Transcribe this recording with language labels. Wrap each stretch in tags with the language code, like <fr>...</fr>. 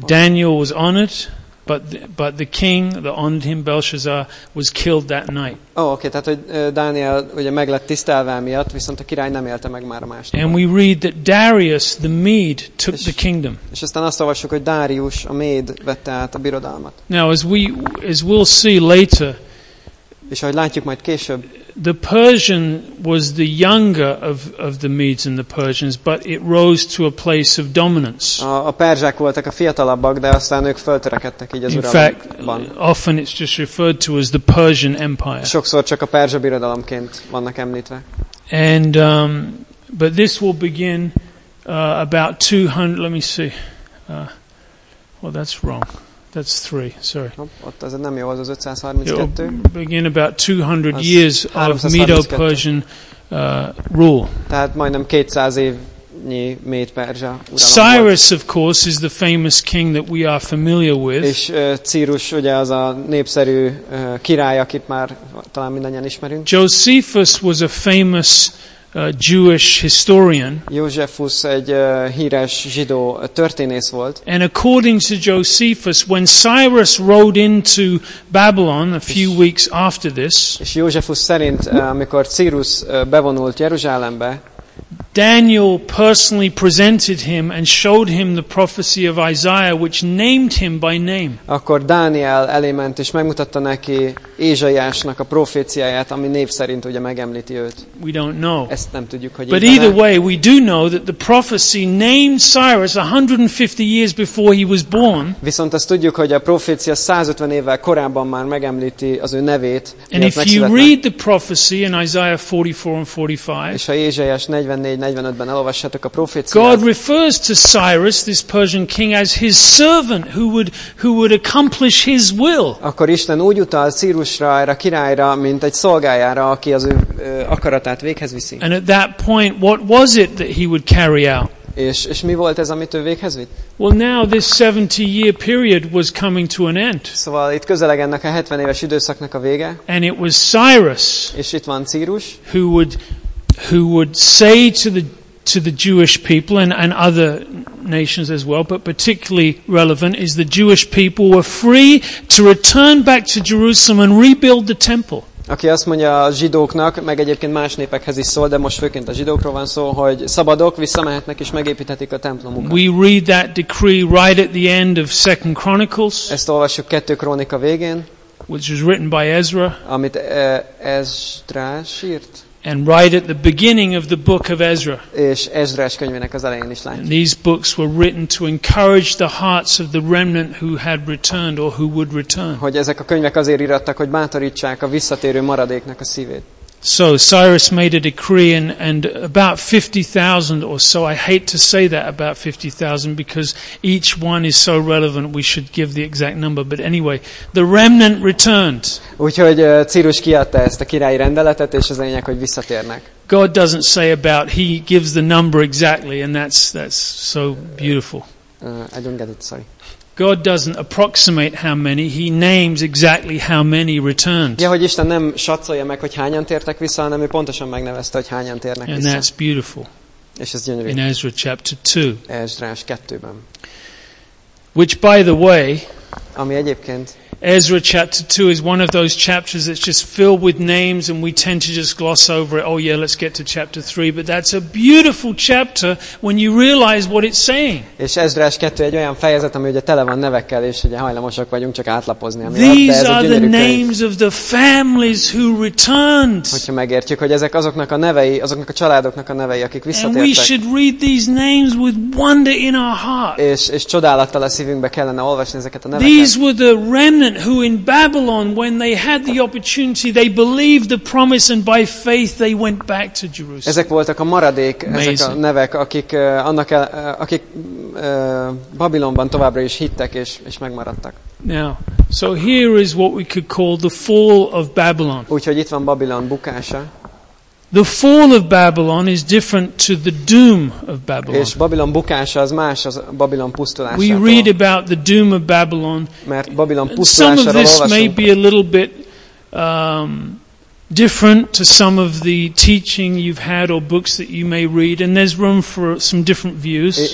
<en>Daniel was honored, but the king that honored him, Belshazzar, was killed that night. Oh, okay.</en> <hu>Tehát hogy Daniel ugye meg lett tisztelve miatt, viszont a király nem élte meg már a másnap.</hu> <en>And we read that Darius the Mede took the kingdom.</en> <hu>És aztán azt olvassuk, hogy Darius a Méd vette át a birodalmat.</hu> <en>Now as we'll see later.</en> <hu>És ahogy látjuk majd később.</hu> <en>The Persian was the younger of the Medes and the Persians, but it rose to a place of dominance.</en> <hu>A perzsák voltak a fiatalabbak, de aztán ők föltörekedtek így az uralomban.</hu> <en>In fact, often it's just referred to as the Persian Empire.</en> <hu>Sokszor csak a perzsa birodalomként vannak említve.</hu> <en>And but this will begin about 200. Let me see. Well, that's wrong. That's 3. Sorry.</en> <hu>Ott az nem jó, az az 532.</hu> <en>It will begin about 200 years of Medo-Persian rule.</en> <hu>Tehát majdnem 200 évnyi Méd-Perzsa uralom.</hu> <en>Cyrus, of course, is the famous king that we are familiar with.</en> <hu>És Cyrus ugye az a népszerű király, akit már talán mindannyian ismerünk.</hu> <en>Josephus was a famous Jewish historian.</en> <hu>Josephus egy híres zsidó történész volt.</hu> <en>And according to Josephus, when Cyrus rode into Babylon a few weeks after this,</en> <hu>és Josephus szerint, amikor Cyrus bevonult Jeruzsálembe,</hu> <en>Daniel personally presented him and showed him the prophecy of Isaiah, which named him by name.</en> <hu>Akkor Dániel elé ment és megmutatta neki Ézsaiásnak a proféciáját, ami név szerint ugye megemlíti őt.</hu> <en>We don't know.</en> <hu>Ezt nem tudjuk, hogy</hu> <en>but either way, we do know that the prophecy named Cyrus 150 years before he was born.</en> <hu>Viszont azt tudjuk, hogy a profécia 150 évvel korábban már megemlíti az ő nevét.</hu> <en>And if you read the prophecy in Isaiah 44 and 45,</en> <hu>és ha Ézsaiás 44-45-ben elolvassátok a proféciát,</hu> <en>God refers to Cyrus, this Persian king, as his servant who would accomplish his will.</en> <hu>Akkor Isten úgy utal Círusra, erre a királyra, mint egy szolgájára, aki az ő akaratát véghez viszi.</hu> <en>And at that point, what was it that he would carry out?</en> <hu>És mi volt ez, amit ő véghez vitt?</hu> <en>Well, now this 70-year period was coming to an end.</en> <hu>Szóval itt közeleg ennek a 70 éves időszaknak a vége.</hu> <en>And it was Cyrus.</en> <hu>És itt van Círus.</hu> <en>Who would say to the Jewish people and other nations as well, but particularly relevant is the Jewish people were free to return back to Jerusalem and rebuild the temple.</en> <hu>Aki azt mondja a zsidóknak, meg egyébként más népekhez is szól, de most főként a zsidókról van szó, hogy szabadok, visszamehetnek és megépíthetik a templomukat.</hu> <en>We read that decree right at the end of 2 Chronicles.</en> <hu>Ezt olvassuk 2 Krónika végén.</hu> <en>Which was written by Ezra.</en> <hu>Amit Ezrás írt.</hu> <en>And right at the beginning of the book of Ezra.</en> <hu>És Ezrás könyvének az elején is látjuk.</hu> <en>These books were written to encourage the hearts of the remnant who had returned or who would return.</en> <hu>Hogy ezek a könyvek azért írattak, hogy bátorítsák a visszatérő maradéknak a szívét.</hu> <en>So Cyrus made a decree and about 50,000 or so, I hate to say that about 50,000 because each one is so relevant, we should give the exact number, but anyway, the remnant returned.</en> <hu>Úgyhogy Círus kiadta ezt a királyi rendeletet, és az lényeg, hogy visszatérnek.</hu> <en>God doesn't say about, he gives the number exactly, and that's so beautiful. I don't get it, sorry. God doesn't approximate how many, he names exactly how many returned.</en> <hu>Ja, hogy Isten nem satszolja meg, hogy hányan tértek vissza, hanem ő pontosan megnevezte, hogy hányan térnek vissza.</hu> <en>And that's beautiful.</en> <hu>És ez gyönyörű.</hu> <en>In Ezra chapter 2.</en> <hu>Ezrás 2-ben.</hu> <en>Which by the way,</en> <hu>ami egyébként</hu> <en>Ezra chapter 2 is one of those chapters that's just filled with names and we tend to just gloss over it. Oh yeah, let's get to chapter 3. But that's a beautiful chapter when you realize what it's saying.</en> <hu>És Ezrás 2 egy olyan fejezet, ami ugye tele van nevekkel, és ugye hajlamosak vagyunk csak átlapozni.</hu> <en>These are the names of the families who returned.</en> <hu>Hogyha megértjük, hogy ezek azoknak a nevei, azoknak a családoknak a nevei, akik visszatértek.</hu> <en>And we should read these names with wonder in our hearts.</en> <hu>És csodálattal a szívünkbe kellene olvasni ezeket a neveket.</hu> <en>These were the remnant who in Babylon when they had the opportunity they believed the promise and by faith they went back to Jerusalem.</en> <hu>Ezek voltak a maradék, ezek a nevek, akik annak akik Babilonban továbbra is hittek és megmaradtak.</hu> <en>Now, so here is what we could call the fall of Babylon.</en> <hu>Úgyhogy itt van Babilon bukása.</hu> <en>The fall of Babylon is different to the doom of Babylon.</en> <hu>És Babilon bukása az más az Babilon pusztulásától.</hu> <en>We read about the doom of Babylon.</en> <hu>Mert Babilon pusztulásáról olvasunk.</hu> <en>Some of this</en> <hu>olvasunk.</hu> <en>May be a little bit different to some of the teaching you've had or books that you may read, and there's room for some different views.</en>